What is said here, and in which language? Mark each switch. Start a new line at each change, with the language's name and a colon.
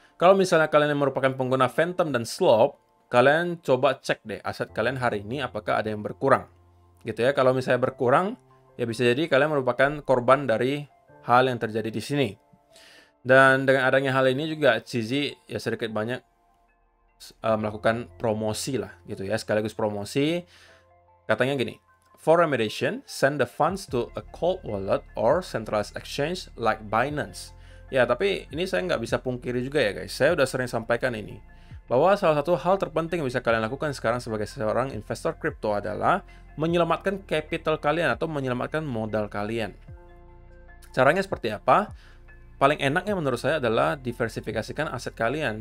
Indonesian: Kalau misalnya kalian yang merupakan pengguna Phantom dan Slop, kalian coba cek deh aset kalian hari ini apakah ada yang berkurang. Gitu ya, kalau misalnya berkurang, ya bisa jadi kalian merupakan korban dari hal yang terjadi di sini. Dan dengan adanya hal ini juga CZ ya sedikit banyak melakukan promosi lah gitu ya, sekaligus promosi. Katanya gini,
English: for remediation, send the funds to a cold wallet or centralized exchange like Binance.
Indonesian: Ya, tapi ini saya nggak bisa pungkiri juga ya guys, saya udah sering sampaikan ini, bahwa salah satu hal terpenting yang bisa kalian lakukan sekarang sebagai seorang investor crypto adalah menyelamatkan capital kalian atau menyelamatkan modal kalian. Caranya seperti apa? Paling enaknya menurut saya adalah diversifikasikan aset kalian.